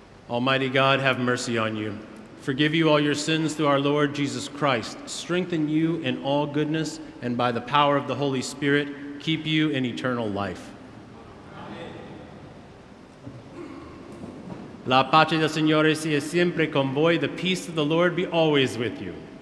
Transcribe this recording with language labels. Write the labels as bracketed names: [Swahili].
[English] Almighty God, have mercy on you. Forgive you all your sins through our Lord Jesus Christ. Strengthen you in all goodness, and by the power of the Holy Spirit, keep you in eternal life. [Italian] La pace del Signore sia sempre con voi. [English] The peace of the Lord be always with you.